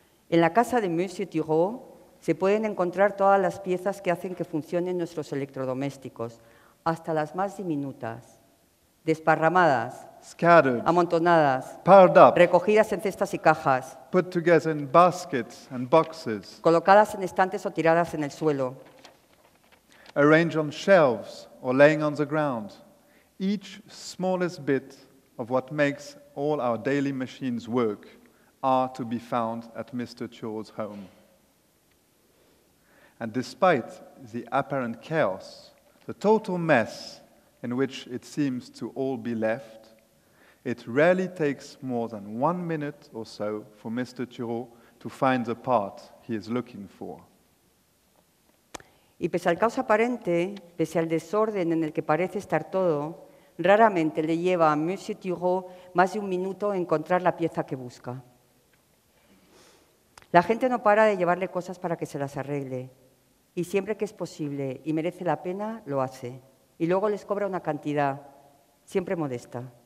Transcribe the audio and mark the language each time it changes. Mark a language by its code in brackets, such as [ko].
[es] En la casa de Monsieur Thurot se pueden encontrar todas las piezas que hacen que funcionen nuestros electrodomésticos, hasta las más diminutas, desparramadas, [en] scattered, [es] amontonadas, [en] piled up, [es] recogidas en cestas y cajas, [en] put together in baskets and boxes, [es] colocadas en estantes o tiradas en el suelo, [en] arranged on shelves or laying on the ground, each smallest bit of what makes all our daily machines work are to be found at Mr. Thurot's home. And despite the apparent chaos, the total mess in which it seems to all be left, it rarely takes more than 1 minute or so for Mr. Thurot to find the part he is looking for. [es] Y pese al caos aparente, pese al desorden en el que parece estar todo, raramente le lleva a Monsieur Thurot más de un minuto encontrar la pieza que busca. La gente no para de llevarle cosas para que se las arregle, y siempre que es posible y merece la pena, lo hace. Y luego les cobra una cantidad, siempre modesta.